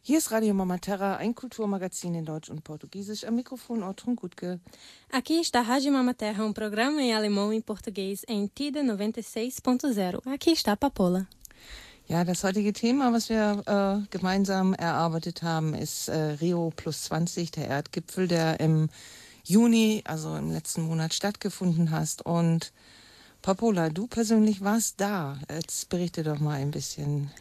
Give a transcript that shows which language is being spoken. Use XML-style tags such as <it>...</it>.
<de>Radio Mama Terra, ein Kulturmagazin in Deutsch und Portugiesisch. Am Mikrofon Ortrun Gutke.</de> <pt>Aqui está a Rádio Mama Terra, um programa em alemão e português em TIDA 96.0. Aqui está a Papola.</pt> <de>Ja, das heutige Thema, was wir gemeinsam erarbeitet haben, ist Rio plus 20, der Erdgipfel, der im Juni, also im letzten Monat, stattgefunden hat. Und Papola, du persönlich warst da. Jetzt berichte doch mal ein bisschen.</de>